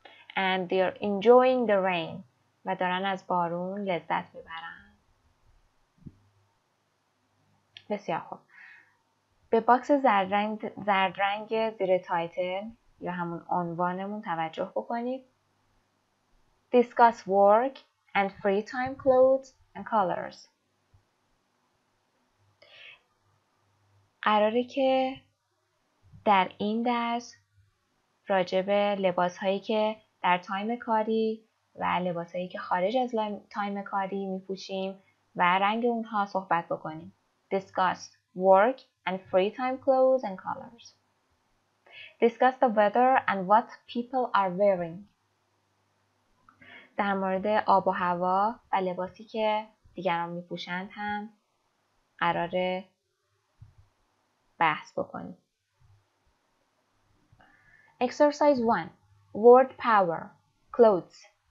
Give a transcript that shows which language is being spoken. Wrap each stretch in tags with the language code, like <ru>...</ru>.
<en>And they are enjoying the rain.</en> <fa>و دارن از بارون لذت میبرن. بسیار خوب. به باکس زرد رنگ زیر تایتل یا همون عنوانمون توجه بکنید.</fa> <en>Discuss work and free time clothes and colors.</en> <fa>قراره که در این درس راجع به لباسهایی که در تایم کاری و لباسهایی که خارج از تایم کاری میپوشیم و رنگ اونها صحبت بکنیم.</fa> <en>Discuss work and free time clothes and colors. Discuss the weather and what people are wearing.</en> <fa>در مورد آب و هوا و لباسی که دیگران می پوشند هم قراره بحث بکنیم.</fa> <en>Exercise 1. Word power. Clothes.</en>